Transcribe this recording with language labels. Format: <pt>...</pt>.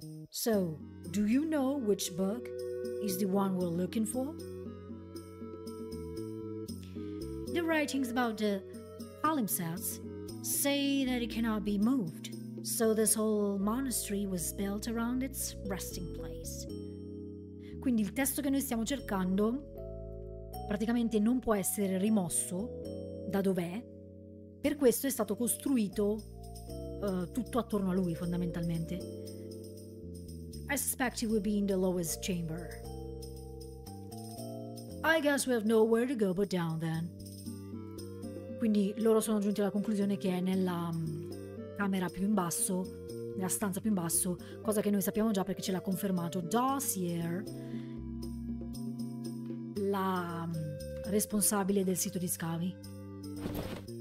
<en>So, do you know which book is the one we're looking for? The writings about the palimpsests say that it cannot be moved, so this whole monastery was built around its resting place.</en> <it>Quindi il testo che noi stiamo cercando praticamente non può essere rimosso da dov'è, per questo è stato costruito tutto attorno a lui fondamentalmente.</it> <en>I suspect it would be in the lowest chamber. I guess we have nowhere to go but down then.</en> <it>Quindi loro sono giunti alla conclusione che è nella camera più in basso, nella stanza più in basso, cosa che noi sappiamo già perché ce l'ha confermato Dossier, la responsabile del sito di scavi.</it>